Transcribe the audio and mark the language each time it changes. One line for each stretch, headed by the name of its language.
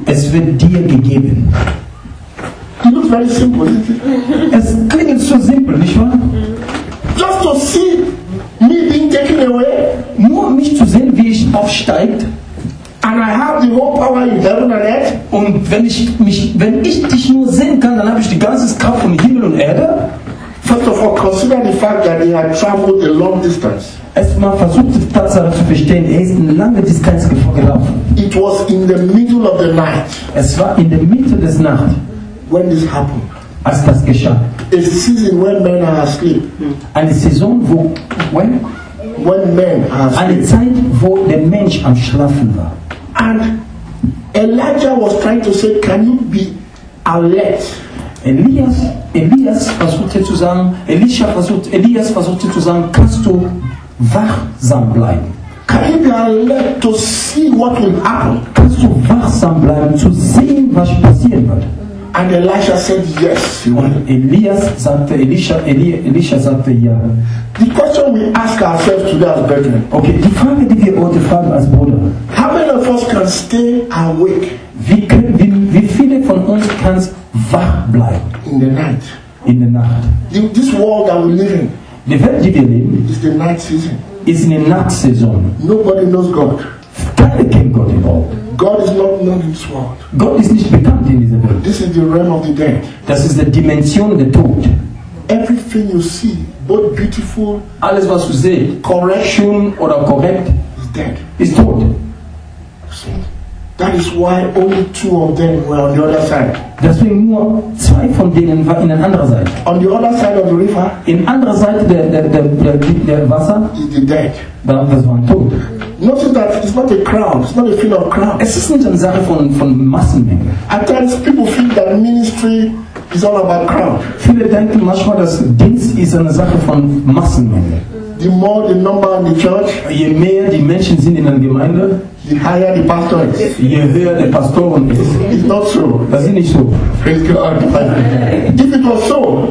German: Es wird dir gegeben.
English: It looks very simple, isn't it?
German: Es klingt so simpel, nicht wahr?
English: Just to see me being taken away.
German: Nur mich zu sehen, wie ich aufsteigt.
English: And I have the whole power in heaven and earth.
German: Und wenn ich dich nur sehen kann, dann habe ich die ganze Kraft von Himmel und Erde.
English: First of all, consider the fact that they had traveled a long distance.
German: Erstmal versucht die Tatsache zu verstehen, er ist eine lange Distanz gelaufen.
English: It was in the middle of the night.
German: Es war in der Mitte des Nacht.
English: When this happened.
German: Als das geschah.
English: A season when men are asleep.
German: Eine Saison, wo
English: when? When men are asleep.
German: Eine Zeit, wo der Mensch am Schlafen war.
English: And Elijah was trying to say, can you be alert?
German: Elias versuchte zu sagen, kannst du wachsam bleiben?
English: Can you be alert to see what will happen?
German: Kannst du wachsam bleiben, zu sehen, was passieren wird?
English: And Elisha said yes.
German: Und Elisha sagte ja.
English: The question we ask ourselves today as brethren.
German: Okay, die Frage, die wir heute fragen als Bruder.
English: How many of us can stay awake?
German: Wie viele von uns kann wach bleiben?
English: In the night.
German: In der Nacht.
English: This world that we live in.
German: Die Welt, die wir leben,
English: is the night season.
German: Ist in der Nachtsaison.
English: Nobody knows God.
German: Keiner kennt Gott überhaupt.
English: God is not known in this world.
German: Gott ist nicht bekannt in dieser Welt.
English: This is the realm of the dead.
German: Das ist die Dimension der Tod.
English: Everything you see, both beautiful,
German: alles was du siehst,
English: correction
German: oder korrekt,
English: is dead.
German: Ist tot.
English: See? That is why only two of them were on the other side.
German: Deswegen nur zwei von denen waren in der anderen Seite.
English: On the other side of the river.
German: In anderer Seite der Wasser.
English: Is the dead.
German: Dann das waren tot.
English: Notice that it's not a crowd. It's not a feeling of crowd.
German: Es ist nicht eine Sache von Massenmenge.
English: At times people feel that ministry is all about crowd.
German: Viele denken manchmal, dass Dienst ist eine Sache von Massenmenge.
English: The more the number in the church,
German: je mehr die Menschen sind in einer Gemeinde,
English: the higher the pastor is.
German: Je höher der Pastor ist.
English: It's not so.
German: Das ist nicht so.
English: Praise God. If it was so,